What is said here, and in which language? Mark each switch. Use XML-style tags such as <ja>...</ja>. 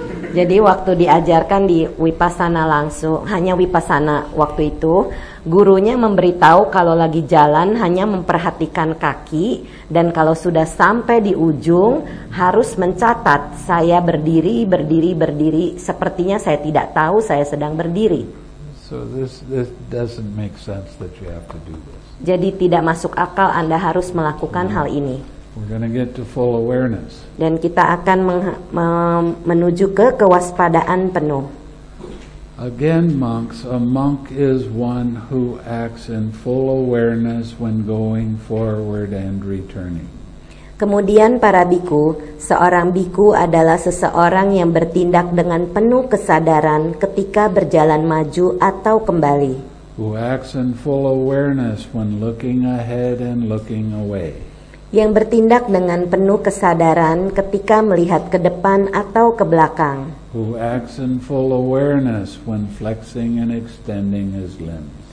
<id>Jadi waktu diajarkan di vipassana langsung, hanya vipassana waktu itu, gurunya memberitahu kalau lagi jalan hanya memperhatikan kaki, dan kalau sudah sampai di ujung harus mencatat saya berdiri, sepertinya saya tidak tahu saya sedang berdiri.</id> <en>So this doesn't make sense that you have to do this.</en> <id>Jadi tidak masuk akal Anda harus melakukan hal ini.</id> <en>We're gonna get to full awareness.</en> <id>Dan kita akan menuju ke kewaspadaan penuh.</id> <en>Again, monks, a monk is one who acts in full awareness when going forward and returning.</en> <id>Kemudian para bhikkhu, seorang bhikkhu adalah seseorang yang bertindak dengan penuh kesadaran ketika berjalan maju atau kembali.</id> <en>Who acts in full awareness when looking ahead and looking away.</en> <id>Yang bertindak dengan penuh kesadaran ketika melihat ke depan atau ke belakang.</id> <en>Who acts in full awareness when flexing and extending his limbs.</en>